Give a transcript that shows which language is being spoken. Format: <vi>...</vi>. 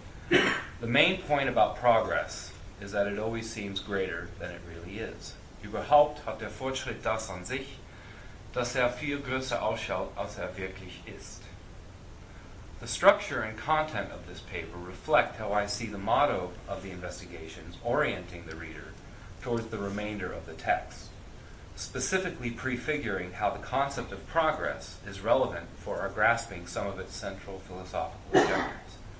<en>The main point about progress is that it always seems greater than it really is.</en> <de>Überhaupt hat der Fortschritt das an sich, dass viel größer ausschaut, als wirklich ist.</de> <en>The structure and content of this paper reflect how I see the motto of the investigations orienting the reader towards the remainder of the text, specifically prefiguring how the concept of progress is relevant for our grasping some of its central philosophical objectives.</en>